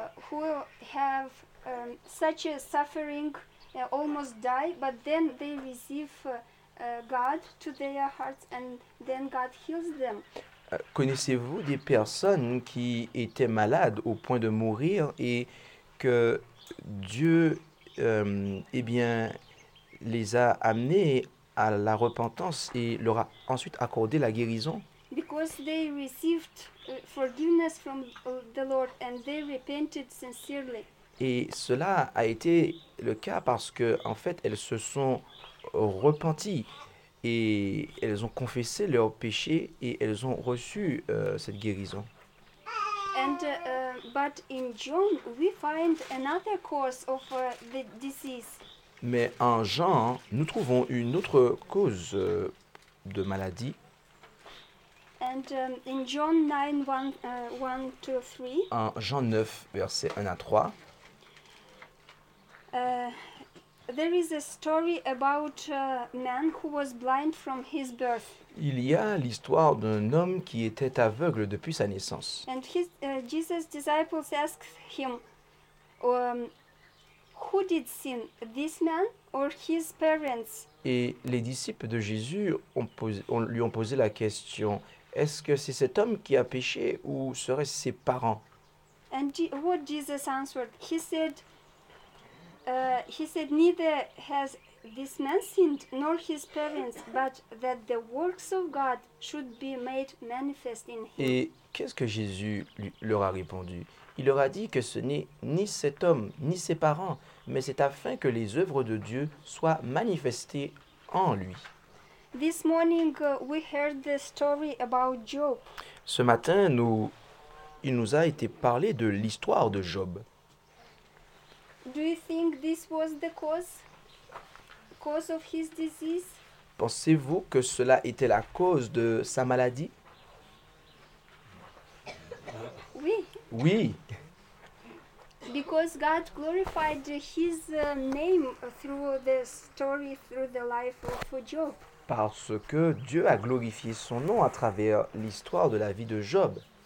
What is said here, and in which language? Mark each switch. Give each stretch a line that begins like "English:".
English: who have such a suffering, almost die, but then they receive God to their hearts, and then God heals them.
French: Connaissez-vous des personnes qui étaient malades au point de mourir et que Dieu, eh bien, les a amenés à la repentance et leur a ensuite accordé la guérison?
English: Because they received forgiveness from the Lord and they repented sincerely.
French: Et cela a été le cas parce que, en fait, elles se sont repenties et elles ont confessé leurs péchés et elles ont reçu cette guérison.
English: And but in John we find another cause of the disease.
French: Mais en Jean, nous trouvons une autre cause de maladie.
English: And in John 9:1-3.
French: En Jean 9 verset 1 à 3.
English: There is a story about a man who was blind from his birth.
French: Il y a l'histoire d'un homme qui était aveugle depuis sa naissance.
English: And his Jesus' disciples asked him, who did sin, this man or his parents?
French: Et les disciples de Jésus lui ont posé la question, est-ce que c'est cet homme qui a péché ou seraient-ce ses parents?
English: And what Jesus answered, he said, neither has this man sinned nor his parents, but that the works of God should be made manifest in him.
French: Et qu'est-ce que Jésus leur a répondu? Il leur a dit que ce n'est ni cet homme ni ses parents, mais c'est afin que les œuvres de Dieu soient manifestées en lui.
English: This morning we heard the story about Job.
French: Ce matin, il nous a été parlé de l'histoire de Job.
English: Do you think this was the cause of his disease?
French: Pensez-vous que cela était la cause de sa maladie? Oui. Oui.
English: Because God glorified his name through the story, through the life of Job.
French: Parce que Dieu a glorifié son nom à travers l'histoire de la vie de Job.